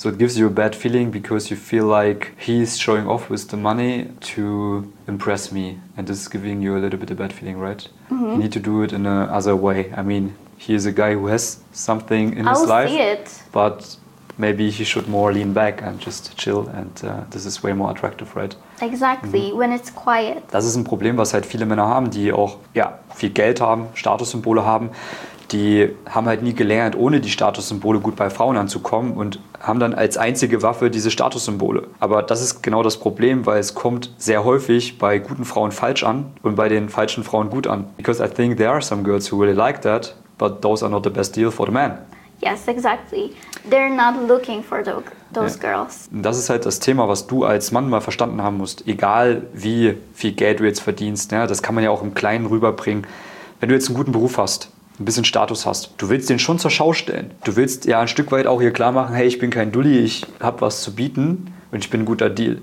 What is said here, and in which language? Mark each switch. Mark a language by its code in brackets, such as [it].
[en] So it gives you a bad feeling because you feel like he's showing off with the money to impress me. And this is giving you a little bit of a bad feeling, right? Mm-hmm. You need to do it in another way. I mean, he is a guy who has something in his life. I'll see it. But maybe he should more lean back and just chill, and this is way more attractive, right? Exactly, mhm. When it's quiet. [de] Das ist ein Problem, was halt viele Männer haben, die auch ja, viel Geld haben, Statussymbole haben. Die haben halt nie gelernt, ohne die Statussymbole gut bei Frauen anzukommen und haben dann als einzige Waffe diese Statussymbole. Aber das ist genau das Problem, weil es kommt sehr häufig bei guten Frauen falsch an und bei den falschen Frauen gut an. [en] Because I think there are some girls who really like that, but those are not the best deal for the man. Yes, exactly. They're not looking for those girls. [de] Das ist halt das Thema, was du als Mann mal verstanden haben musst. Egal, wie viel Geld du jetzt verdienst, ne? Das kann man ja auch im Kleinen rüberbringen. Wenn du jetzt einen guten Beruf hast, ein bisschen Status hast, du willst den schon zur Schau stellen. Du willst ja ein Stück weit auch hier klar machen, hey, ich bin kein Dulli, ich habe was zu bieten und ich bin ein guter Deal.